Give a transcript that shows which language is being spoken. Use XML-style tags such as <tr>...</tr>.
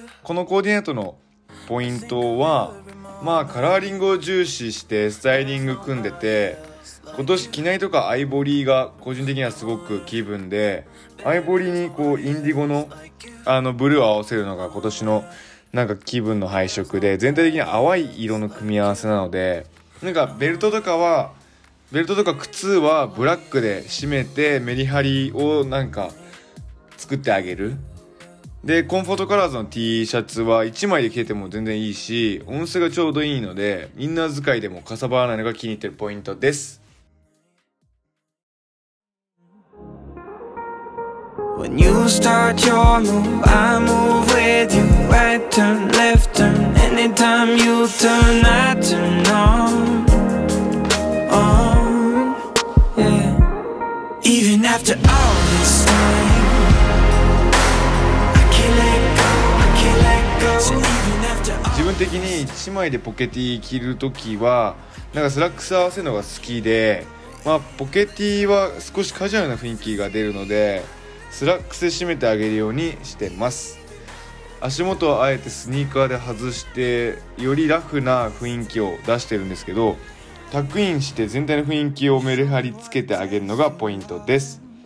<ja>このコーディネートのポイントはまあカラーリングを重視してスタイリング組んでて、今年機内とかアイボリーが個人的にはすごく気分で、アイボリーにこうインディゴのあのブルーを合わせるのが今年のなんか気分の配色で、全体的に淡い色の組み合わせなので、なんかベルトとか靴はブラックで締めてメリハリをなんか作ってあげる。でコンフォートカラーズの T シャツは1枚で着てても全然いいし、音声がちょうどいいのでインナー使いでもかさばらないのが気に入ってるポイントです。</ja> <en>When you start your move, I move with you. Right turn, left turn, anytime you turn, I turn on, on, yeah. Even after all this time, I can't let go, I can't let go. So even after all,</en> <ja>自分的に一枚でポケティ着るときは、なんかスラックス合わせるのが好きで、まあポケティは少しカジュアルな雰囲気が出るので。スラックスで締めてあげるようにしてます。足元はあえてスニーカーで外してよりラフな雰囲気を出してるんですけど、タックインして全体の雰囲気をメリハリつけてあげるのがポイントです。</ja>